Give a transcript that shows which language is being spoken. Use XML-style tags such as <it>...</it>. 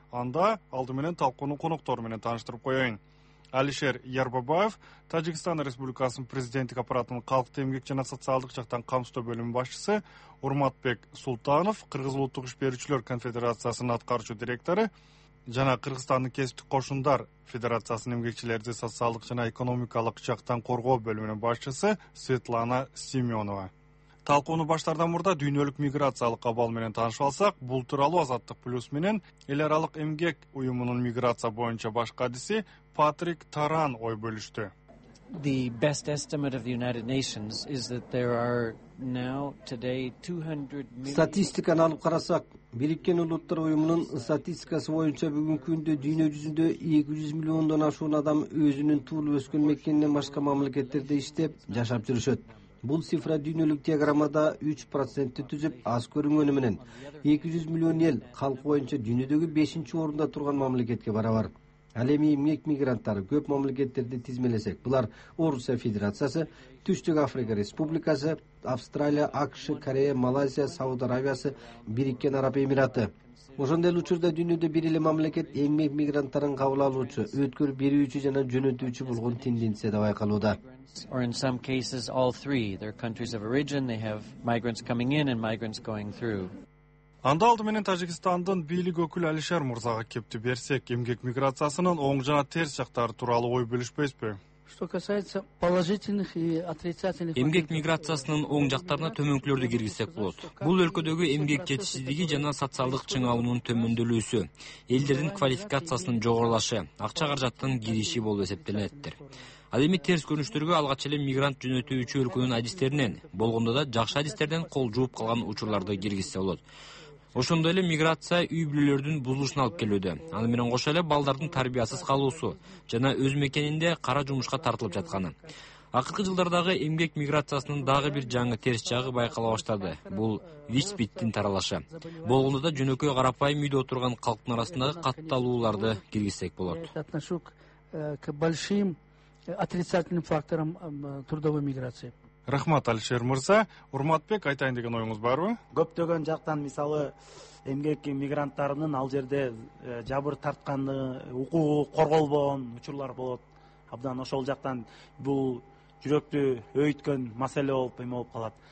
<ky>Анда алды менен талкууну коноктору менен тааныштырып коеюн. Алишер Ярбабаев, Тажикстан Республикасынын президенттик аппаратынын калктын эмгек жана социалдык жактан камсыздоо бөлүмү башчысы, Урматбек Султанов, Кыргыз улуттук иш берүүчүлөр конфедерациясынын аткаруучу директору жана Кыргызстандын кесиптик кошундар федерациясынын эмгекчилерди социалдык жана экономикалык жактан коргоо бөлүмүнүн башчысы Светлана Семенова. Талкууну баштардан мурда дүйнөлүк миграциялык абал менен таанышып алсак, бул тууралуу Азаттык Плюс менен эл аралык эмгек уюмунун миграция боюнча баш кадиси Патрик Таран ой бөлүштү.</ky> <en>The best estimate of the United Nations is that there are now today 200 million.</en> <ky>Статистиканы алып карасак, Бириккен Улуттар Уюмунун статистикасы боюнча бүгүнкү күндө дүйнө жүзүндө 200 миллиондон ашуун адам өзүнүн туулуп өскөн мекенинен башка мамлекеттерде иштеп, жашап жүрүшөт. Бул цифра дүйнөлүк диаграммада 3% түзүп, аз көрүнгөнү менен 200 миллион эл калк боюнча дүйнөдөгү 5-чи орунда турган мамлекетке барабар. Ал эми эмгек мигранттары көп мамлекеттерди тизмелесек, булар Орусия Федерациясы, Түштүк Африка Республикасы, Австралия, АКШ, Корея, Малайзия, Сауд Арабиясы, Бириккен Араб Эмираты. Ошондой эле учурда дүйнөдө бир эле мамлекет эмгек мигранттарын кабыл алуучу, өткөрүп берүүчү жана жөнөтүүчү болгон тенденция деп айкалууда.</ky> <en>Or in some cases all three, their countries of origin, they have migrants coming in and migrants going through.</en> <ky>Анда алды менен Тажикстандын бийлик өкүлү Алишер Мурзага кепти берсек, эмгек миграциясынын оң жана терс жактары тууралуу ой бөлүшпөйсүзбү?</ky> <ru>Что касается положительных и отрицательных</ru> <ky>эмгек миграциясынын оң жактарына төмөнкүлөрдү киргизсек болот. Бул өлкөдөгү эмгек жетишсиздиги жана социалдык чыңалуунун төмөндөлүүсү, элдердин квалификациясынын жогорулашы, акча каражаттын кириши болуп эсептелинеттир. Ал эми терс көрүнүштөргө алгач эле мигрант жөнөтүүчү өлкөнүн адистеринен, болгондо да жакшы адистерден кол жууп калган учурларды киргизсе болот. Ошондой эле миграция үй бүлөлөрдүн бузулушуна алып келүүдө. Аны менен кошо эле балдардын тарбиясыз калуусу жана өз мекенинде кара жумушка тартылып жатканы. Акыркы жылдардагы эмгек миграциясынын дагы бир жаңы терс жагы байкала баштады. Бул виспиттин таралышы. Болгондо да жөнөкөй карапайым үйдө отурган калктын арасындагы катталууларды киргизсек болот.</ky> <ru>Отношу к большим отрицательным факторам трудовой миграции.</ru> <ky>Рахмат, Алишер Мырза. Урматбек, айтайын деген оюңуз барбы? Көптөгөн жактан мисалы эмгек мигранттарынын ал жерде жабыр тартканы, укугу корголбогон учурлар болот. Абдан ошол жактан бул жүрөктү өйүткөн маселе болуп эме болуп калат.</ky>